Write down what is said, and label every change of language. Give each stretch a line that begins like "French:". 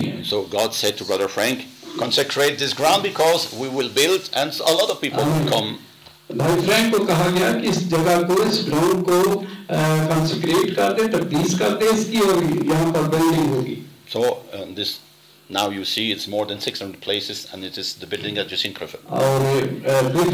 English: So God said to Brother Frank, consecrate this ground because we will build and a lot of people will come.
Hindi: भाई Frank को कहा गया कि इस जगह को इस ग्राउंड को कंसेक्रेट कर दे, तकदीस कर दे इसकी और यहाँ पर बिल्डिंग होगी.
English: So this. Now you see it's more than 600 places and it is the building that you see in Crawford.